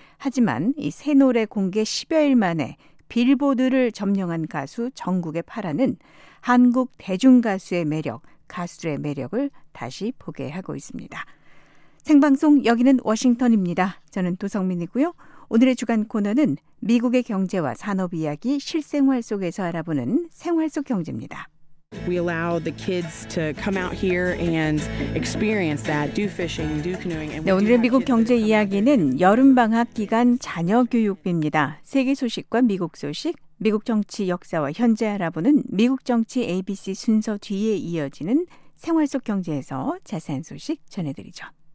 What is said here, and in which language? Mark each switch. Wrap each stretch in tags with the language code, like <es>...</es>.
<ko>하지만 이 새 노래 공개 10여일 만에 빌보드를 점령한 가수 정국의 파란은 한국 대중가수의 매력, 가수들의 매력을 다시 보게 하고 있습니다. 생방송 여기는 워싱턴입니다. 저는 도성민이고요. 오늘의 주간 코너는 미국의 경제와 산업 이야기 실생활 속에서 알아보는 생활 속 경제입니다.</ko> <en>We allow the kids to come out here and experience that, do fishing, do canoeing.</en> <ko>네, 오늘의 미국 경제 이야기는 여름 방학 기간 자녀 교육비입니다. 세계 소식과 미국 소식, 미국 정치 역사와 현재 알아보는 미국 정치 ABC 순서 뒤에 이어지는 생활 속 경제에서 자세한 소식 전해드리죠.</ko>